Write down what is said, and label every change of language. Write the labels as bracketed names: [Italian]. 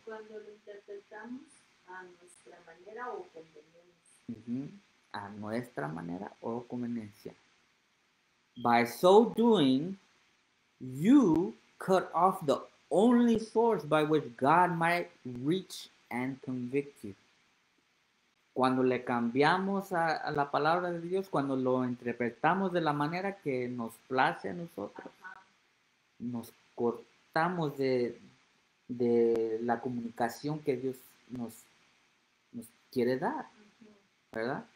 [Spanish] Cuando lo interpretamos a nuestra manera o conveniencia. Uh-huh. A nuestra manera o conveniencia. [English] By so doing, you cut off the only source by which God might reach and convict you. [Spanish] Cuando le cambiamos a la palabra de Dios, cuando lo interpretamos de la manera que nos place a nosotros, nos cortamos de la comunicación que Dios nos quiere dar, ¿verdad?